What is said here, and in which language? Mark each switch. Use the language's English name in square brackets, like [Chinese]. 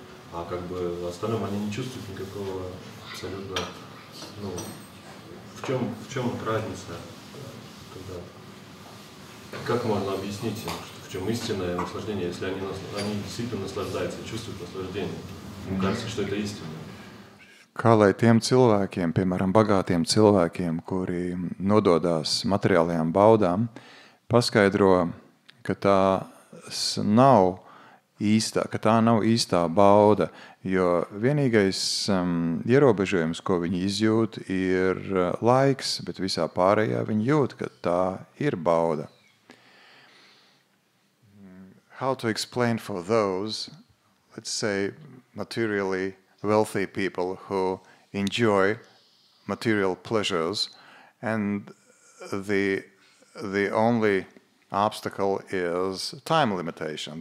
[Russian] А как бы в остальном они не чувствуют никакого абсолютно, ну, в чём разница тогда? Как можно объяснить им, что в чем истинное наслаждение, если они действительно наслаждаются, чувствуют наслаждение. Им кажется, что это истинное. [Latvian] Kā lai tiem cilvēkiem, piemēram, bagātiem cilvēkiem, kuri nododās materiālajām baudām, paskaidro, ka tās nav īstā, ka tā nav īstā bauda, jo vienīgais ierobežojums, ko viņi izjūt, ir laiks, bet visā pārējā viņi jūt, ka tā ir bauda. [English] How to explain for those, let's say, materially wealthy people who enjoy material pleasures, and the only obstacle is time limitation.